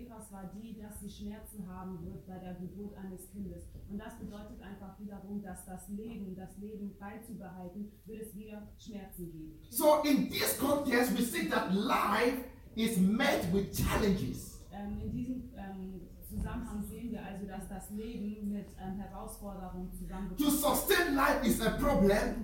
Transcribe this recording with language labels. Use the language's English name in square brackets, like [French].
[German] War die, dass sie Schmerzen haben wird bei der Geburt eines Kindes. Und das bedeutet einfach wiederum, dass das Leben beizubehalten, wird es wieder Schmerzen geben. [English] So in this context we see that life is met with challenges. [German] In diesem Zusammenhang sehen wir also, dass das Leben mit Herausforderungen zusammenkommt. [English] To sustain life is a problem.